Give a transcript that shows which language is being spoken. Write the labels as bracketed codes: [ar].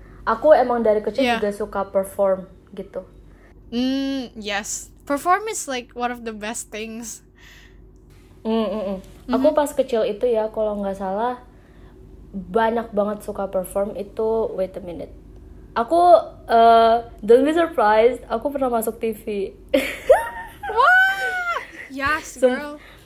[id] Aku emang dari kecil juga suka perform gitu. [en] Yes. Perform is like one of the best things. [id] Aku pas kecil itu ya kalau nggak salah banyak banget suka perform itu. [en] Wait a minute, aku don't be surprised, [id] aku pernah masuk TV. [en] Wah, yes girl.